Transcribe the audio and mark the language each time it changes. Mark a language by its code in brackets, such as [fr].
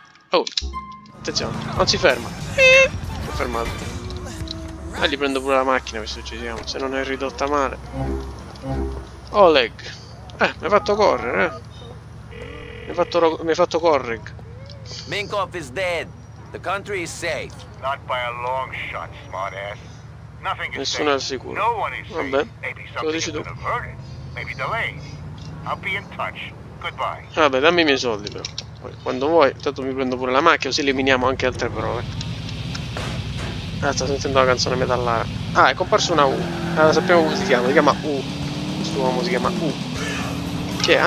[it] Oh, attenzione, non si ferma. Si è fermato. Gli prendo pure la macchina, visto che ci siamo. Se non è ridotta male. Oleg. Mi ha fatto correre, Mi ha fatto correre. [en] Minkoff is dead. The country is safe. Not by a long shot, smartass. Nothing is safe. [it] Nessuno è sicuro. [en] No one is safe. Maybe something has been averted. Maybe delayed. I'll be in touch. Goodbye. [it] Vabbè, dammi i miei soldi, però. Poi, quando vuoi, intanto mi prendo pure la macchina, così eliminiamo anche altre prove. Sto sentendo la canzone metallara. È comparso una U. Sappiamo come si chiama U. Questo uomo si chiama U. Che?